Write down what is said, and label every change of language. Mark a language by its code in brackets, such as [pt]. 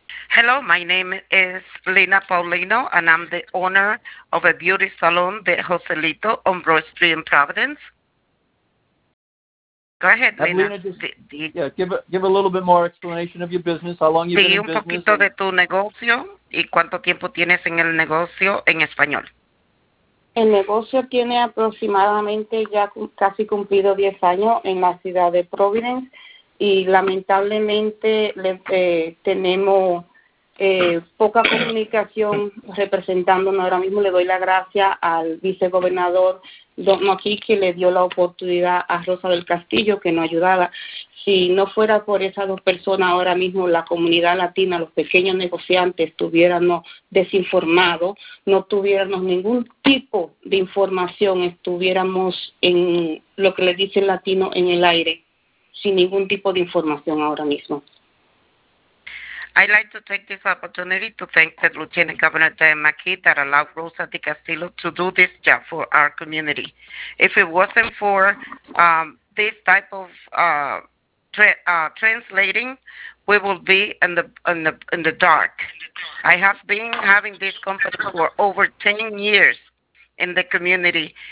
[en] Hello, my name is Lena Paulino, and I'm the owner of a beauty salon, De Joselito, on Broad Street in Providence. Go ahead, Lena. Give a little bit more explanation of your business, how long you've been in business. [es] Un poquito de tu negocio y cuánto tiempo tienes en el negocio en español. El negocio tiene aproximadamente ya casi cumplido 10 años en la ciudad de Providence, y lamentablemente tenemos poca comunicación representándonos ahora mismo. Le doy la gracia al vicegobernador Don Mojí, que le dio la oportunidad a Rosa del Castillo, que nos ayudara. Si no fuera por esas dos personas, ahora mismo la comunidad latina, los pequeños negociantes, estuviéramos desinformados, no tuviéramos ningún tipo de información, estuviéramos en lo que le dice el latino, en el aire, sin ningún tipo de información ahora mismo. [en] I'd like to take this opportunity to thank the Lieutenant Governor Dan McKee that allowed Rosa de Castillo to do this job for our community. If it wasn't for this type of translating, we will be in the dark. I have been having this company for over 10 years, in the community.